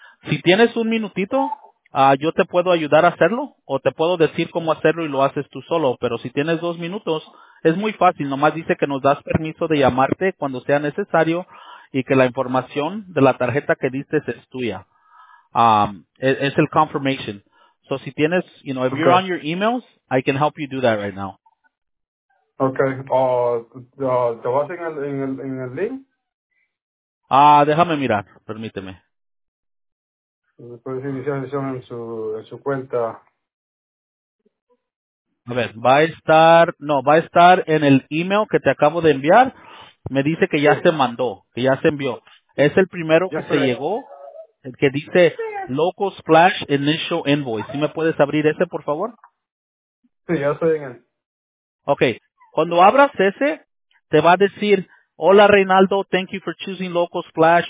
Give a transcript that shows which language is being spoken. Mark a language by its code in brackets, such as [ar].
[es] Si tienes un minutito, yo te puedo ayudar a hacerlo o te puedo decir cómo hacerlo y lo haces tú solo. Pero si tienes 2 minutos, es muy fácil. Nomás dice que nos das permiso de llamarte cuando sea necesario y que la información de la tarjeta que diste es tuya. Es el confirmation. [en] So [es] si tienes, [en] if you're on your emails, I can help you do that right now. [es] Okay. ¿Te vas en el link? Déjame mirar, permíteme. Puedes iniciar sesión en su cuenta. A ver, va a estar en el email que te acabo de enviar. Me dice que ya sí. Se mandó, que ya se envió. Es el primero que se llegó, el que dice Local Splash Initial Invoice. ¿Sí me puedes abrir ese, por favor? Sí, ya estoy en él. Okay, cuando abras ese, te va a decir... [en] Hola Reinaldo, thank you for choosing Local Splash.